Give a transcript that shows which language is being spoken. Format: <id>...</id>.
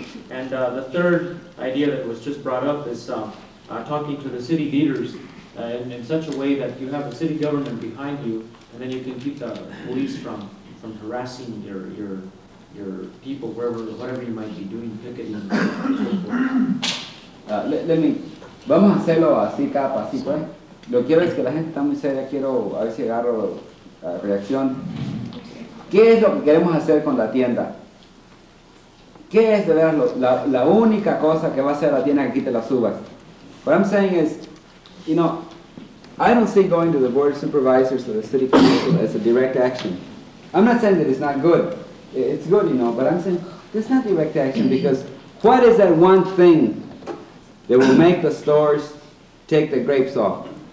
<en>And the third idea that was just brought up is talking to the city leaders in such a way that you have a city government behind you, and then you can keep the police from harassing your people, whatever you might be doing, picketing and so forth.</en> <es>Vamos a hacerlo así, cada pasito, ¿eh? Lo que quiero es que la gente está muy seria, quiero a ver si agarro la reacción. ¿Qué es lo que queremos hacer con la tienda? ¿Qué es de verdad la única cosa que va a hacer la tienda que quite las uvas?</es> <en>What I'm saying is, I don't see going to the board of supervisors or the city council as a direct action. I'm not saying that it's not good. It's good, but I'm saying it's not direct action, because what is that one thing they will make the stores take the grapes off?</en>